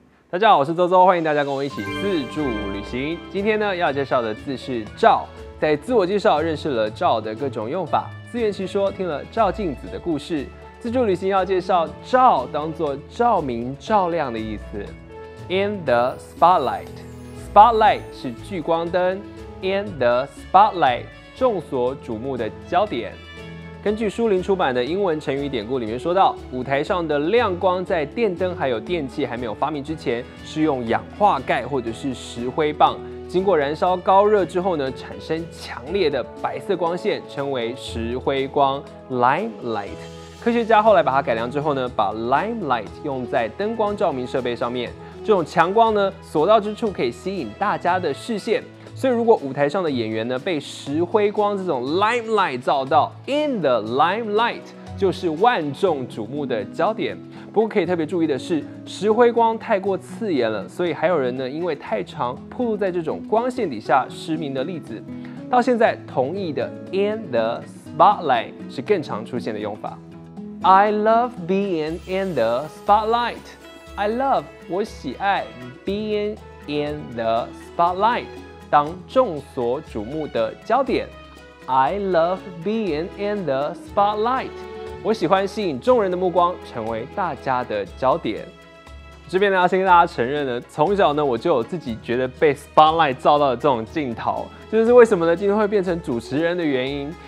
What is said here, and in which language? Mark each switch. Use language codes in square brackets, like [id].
[zh] 大家好，我是周周，欢迎大家跟我一起自助旅行。今天呢，要介绍的字是照。在自我介绍认识了照的各种用法，自圆其说，听了照镜子的故事。自助旅行要介绍照，当作照明、照亮的意思。 [en] In the spotlight， spotlight [zh] 是聚光灯。 [en] In the spotlight， [zh] 众所瞩目的焦点。根据书林出版的英文成语典故里面说到，舞台上的亮光在电灯还有电器还没有发明之前，是用氧化钙或者是石灰棒，经过燃烧高热之后呢，产生强烈的白色光线，称为石灰光 （limelight）。科学家后来把它改良之后呢，把 limelight 用在灯光照明设备上面，这种强光呢，所到之处可以吸引大家的视线。所以如果舞台上的演员呢被石灰光这种 limelight 照到， [en] in the limelight [zh] 就是万众瞩目的焦点。不过可以特别注意的是，石灰光太过刺眼了，所以还有人呢因为太长暴露在这种光线底下失明的例子。到现在同意的 in the spotlight 是更常出现的用法。 [en] I love being in the spotlight， I love [zh] 我喜爱 [en] being in the spotlight， [zh] 当众所瞩目的焦点。 [en] I love being in the spotlight， [zh] 我喜欢吸引众人的目光，成为大家的焦点。这边呢要先跟大家承认呢，从小呢我就有自己觉得被 spotlight 照到的这种镜头，就是为什么呢今天会变成主持人的原因。